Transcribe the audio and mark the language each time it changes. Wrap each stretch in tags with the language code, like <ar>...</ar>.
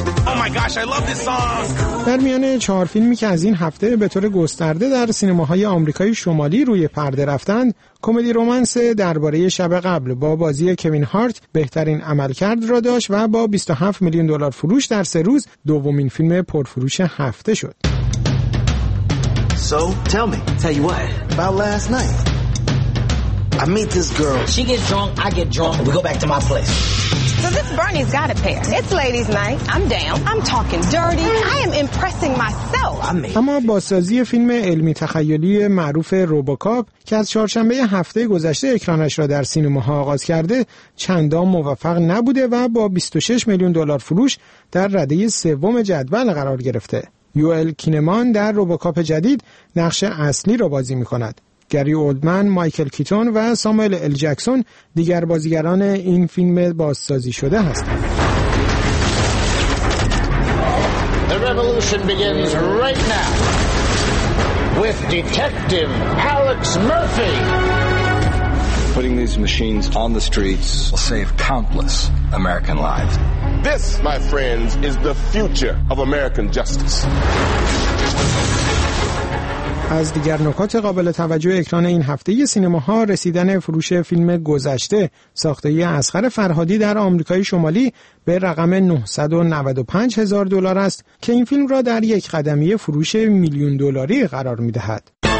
<en>Oh my gosh, I love this song.</en> <fa>در میان چهار فیلمی که از این هفته به طور گسترده در سینماهای آمریکای شمالی روی پرده رفتند، کمدی رومانس درباره شب قبل با بازی کوین هارت بهترین عملکرد را داشت و با 27 میلیون دلار فروش در سه روز دومین فیلم پرفروش هفته شد.</fa> <en>So, tell you what about last night. I meet this girl. She gets drunk, I get drunk. We go back to my place. So this Bernie's got a pair. It's ladies night. I'm down. I'm talking dirty. I am impressing myself.</en> <fa>اما بازسازی فیلم علمی تخیلی معروف روبوکاپ که از چهارشنبه هفته گذشته اکرانش را در سینماها آغاز کرده، چندان موفق نبوده و با 26 میلیون دلار فروش در رده سوم جدول قرار گرفته. یوئل کینمان در روبوکاپ جدید نقش اصلی را بازی می‌کند. گری اولدمن، مایکل کیتون و ساموئل ال جکسون دیگر بازیگران این فیلم بازسازی شده هستند.</fa> <en>The revolution begins right now with Detective Alex Murphy. Putting these machines on the streets will save countless American lives. This, my friends, is the future of American justice.</en> <fa>از دیگر نکات قابل توجه اکران این هفته سینماها رسیدن فروش فیلم گذشته ساخته اصغر فرهادی در آمریکای شمالی به رقم 995 هزار دلار است که این فیلم را در یک قدمی فروش میلیون دلاری قرار می‌دهد.</fa>